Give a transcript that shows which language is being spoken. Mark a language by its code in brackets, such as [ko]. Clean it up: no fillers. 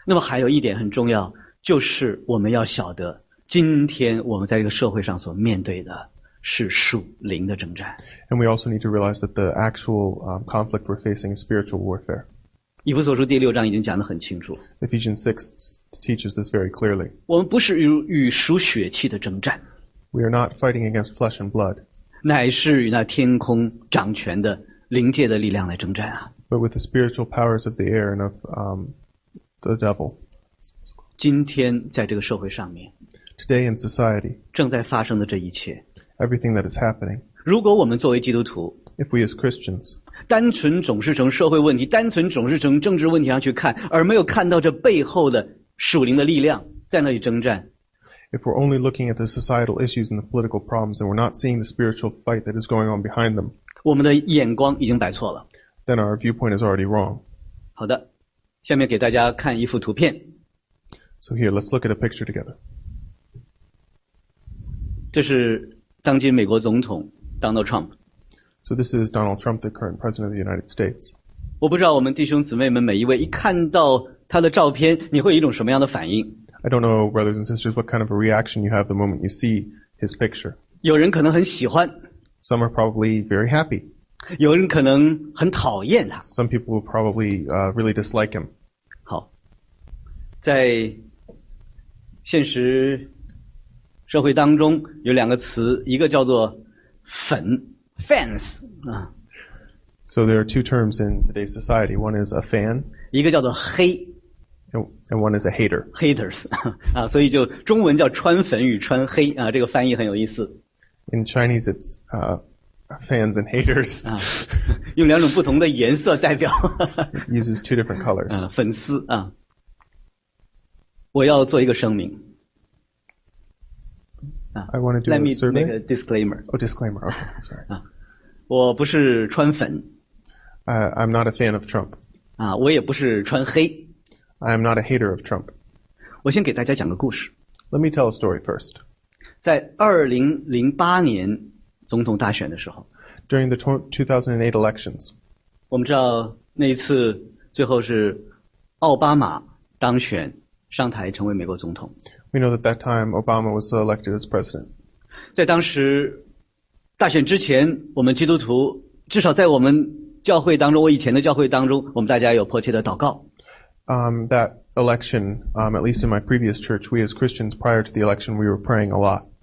[zh] 那么还有一点很重要，就是我们要晓得今天我们在这个社会上所面对的。是属灵的征战。 [en] And we also need to realize that the actual conflict we're facing is spiritual warfare. [zh] 以弗所书第六章已经讲得很清楚。 [en] Ephesians 6 teaches this very clearly. [zh] 我们不是与属血气的征战。 [en] We are not fighting against flesh and blood. [zh] 乃是与那天空掌权的灵界的力量来征战啊。 [en] But with the spiritual powers of the air and of the devil. [zh] 今天在这个社会上面。 [en] Today in society. [zh] 正在发生的这一切。 [en] Everything that is happening. [zh] 如果我们作为基督徒 [en] if we as Christians, [zh] 单纯总是从社会问题，单纯总是从政治问题上去看，而没有看到这背后的属灵的力量在那里征战。 [en] If we're only looking at the societal issues and the political problems, and we're not seeing the spiritual fight that is going on behind them, [zh] 我们的眼光已经摆错了。 [en] Then our viewpoint is already wrong. [zh] 好的，下面给大家看一幅图片。 [en] So here, let's look at a picture together. [zh] 这是当今美国总统 Donald Trump. [en] So this is Donald Trump, the current president of the United States. [zh] 我不知道我们弟兄姊妹们每一位一看到他的照片，你会有一种什么样的反应？ [en] I don't know, brothers and sisters, what kind of a reaction you have the moment you see his picture. [zh] 有人可能很喜欢。 [en] Some are probably very happy. [zh] 有人可能很讨厌他。 [en] Some people will probably, really dislike him. [zh] 好。在现实社会当中有两个词，一个叫做粉 ,fans, 啊。 [en] So there are two terms in today's society. One is a fan. [zh] 一个叫做黑。 [en] And one is a hater. Haters. [zh] 啊，所以就中文叫川粉与川黑，啊，这个翻译很有意思。 [en] In Chinese, it's, fans and haters. [zh] 啊，用两种不同的颜色代表。 [en] It uses two different colors. [zh] 啊，粉丝，啊。我要做一个声明。啊， [en] I want to do a survey. Let me make a disclaimer. Oh, disclaimer. Okay, sorry. [zh] 啊，我不是川粉。 [en] I'm not a fan of Trump. [zh] 啊，我也不是川黑。 [en] I am not a hater of Trump. [zh] 我先给大家讲个故事。 [en] Let me tell a story first. [zh] 在2008年总统大选的时候。 [en] During the 2008 elections. [zh] 我们知道那一次最后是奥巴马当选上台成为美国总统。 [en] We know that that time Obama was elected as president. [zh] 在当时大选之前，我们基督徒至少在我们教会当中，我以前的教会当中，我们大家有迫切的祷告。 [en] That election, at least in my previous church, we as Christians prior to the election, we were praying a lot.